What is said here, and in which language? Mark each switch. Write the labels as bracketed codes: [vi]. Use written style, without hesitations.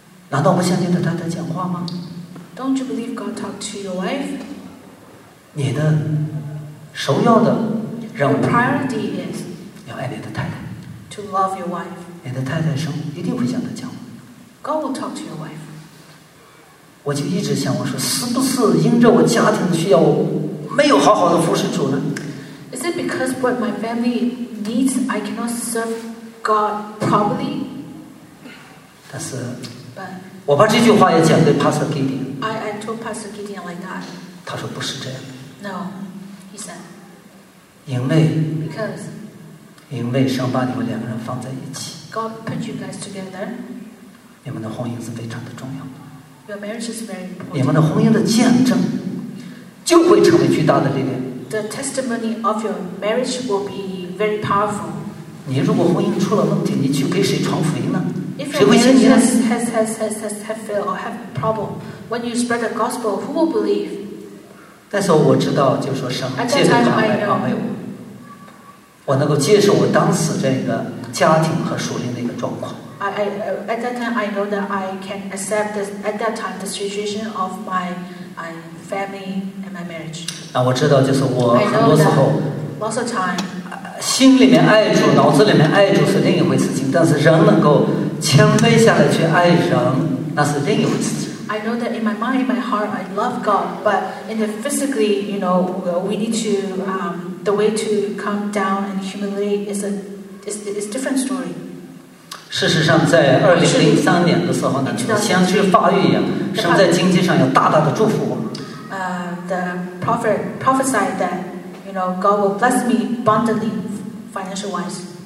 [zh] 难道不向你的太太讲话吗 [en] Don't you believe God talk to your wife [zh] 你的首要的任务 [en] Your priority is [zh] 要爱你的太太 [en] To love your wife [zh] 你的太太生一定会向她讲话 [en] God will talk to your wife [zh] 我就一直想，我说是不是因着我家庭的需要，我没有好好的服侍主呢 [en] ？Is it because what my family needs, I cannot serve God properly? [zh] 但是， [en] But, [zh] 我把这句话也讲给 Pastor Gideon。 [en] I told Pastor Gideon like that。 [zh] 他说不是这样的。 [en] No, he said. [zh] 因为 [en] Because. [zh] 因为上把你们两个人放在一起。 [en] God put you guys together. [zh] 你们的婚姻是非常的重要的。 [en] Your marriage is very important. [zh] 你们的婚姻的见证就会成为巨大的力量。 [en] The testimony of your marriage will be very powerful. [zh] 你如果婚姻出了问题，你去给谁传福音呢？ [en] If your marriage has have failed or have a problem, when you spread the gospel, who will believe? [zh] 但是我知道，就说神借着他来帮助我，我能够接受我当时这个家庭和属灵的一个状况。 [en] At that time, I know that I can accept this, at that time the situation of my family and my marriage. [zh] 那我知道，就是我很多时候 [en] lots of time. [zh] 心里面爱主，脑子里面爱主是另一回事情，但是人能够谦卑下来去爱人，那是另一回事情。 [en] I know that in my mind, in my heart, I love God, but in the physically, you know, we need to the way to come down and humiliate is a different story. [zh] 事实上，在2003年的时候呢，就先去发预言，神在经济上要大大的祝福我。 [en] The prophet prophesied that, you know, God will bless me abundantly, financial wise.